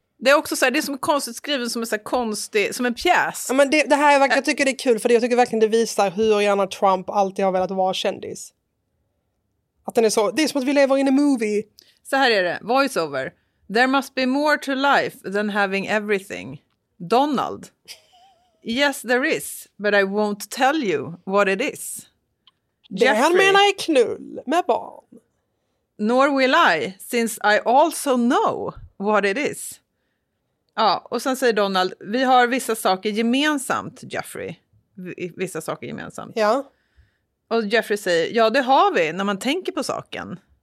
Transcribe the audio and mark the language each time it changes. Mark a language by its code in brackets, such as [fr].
[sv] Det är också så här, det är som konstigt skriven, som en så här konstig, som en pjäs. Ja, men det här, jag tycker det är kul, för jag tycker verkligen det visar hur gärna Trump alltid har velat vara kändis. Att den är så, det är som att vi lever [en] in a movie. [sv] Så här är det, voice over. [en] There must be more to life than having everything. Donald. Yes, there is, but I won't tell you what it is. [sv] Det Jeffrey. Han menar är knull med barn. [en] Nor will I, since I also know what it is. [sv] Ja, och sen säger Donald, vi har vissa saker gemensamt, Jeffrey. Vissa saker gemensamt. Ja. Och Jeffrey säger, ja, det har vi när man tänker på saken.